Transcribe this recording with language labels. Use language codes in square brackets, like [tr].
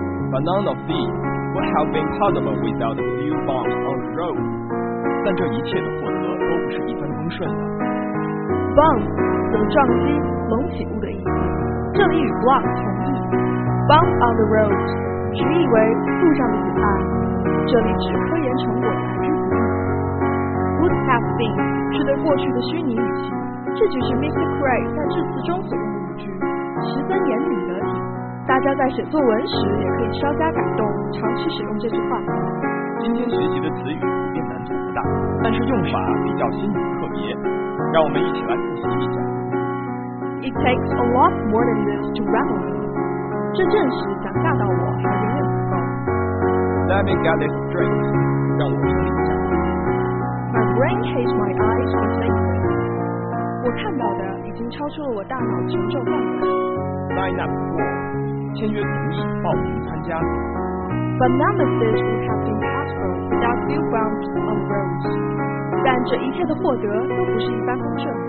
[en] But none of these would have been possible without a few bumps on the road. [zh] 但这一切的获得都不是一帆风顺的。 Bump 则撞击、隆起物的意思，这里与 block 同义。 Bump on the road 直译为路上的阻碍，这里指科研成果来之不易。 Would have been 是对过去的虚拟语气，这句是 Mr. Craig 在致辞中所用的语句，十分严谨得体。大家在写作文时也可以稍加改动，尝试使用这句话。今天学习的词语普遍难度不大，但是用法比较新颖特别，让我们一起来复习一下。 [en] It takes a lot more than this to rattle me. [zh] 这正是想吓到我还有点不够。 [en] Let me get this straight. [zh] 让我理解一下。 [en] My brain hates my eyes for saying this. [zh] 我看到的已经超出了我大脑承受范围。 Sign up for. 签约同意，报名参加。 [en] But none of this would have been possible without few bumps on the road. [zh] 但这一切的获得都不是一帆风顺。